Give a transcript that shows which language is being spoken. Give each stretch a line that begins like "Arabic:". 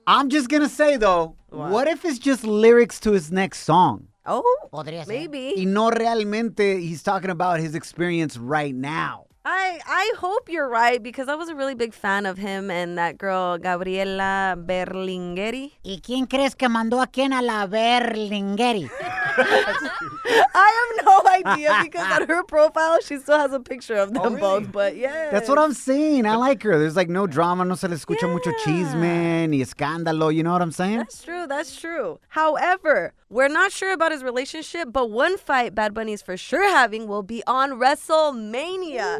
English: I'm just going to say, though, what if it's just lyrics to his next song?
Spanish: Oh, podría ser.
English: Maybe.
Spanish: Y no realmente,
English: he's talking about his experience right now. I hope you're right, because I was a really big fan of him and that girl, Gabriela Berlingueri.
Spanish: ¿Y quién crees que mandó a quién a la Berlingueri?
English: I have no idea, because on her profile, she still has a picture of them both, but yeah. That's what I'm saying. I like her. There's like no drama,
Spanish: no se le escucha mucho chisme, ni escándalo,
English: you know what I'm saying? That's true. However, we're not sure about his relationship, but one fight Bad Bunny is for sure having will be on WrestleMania.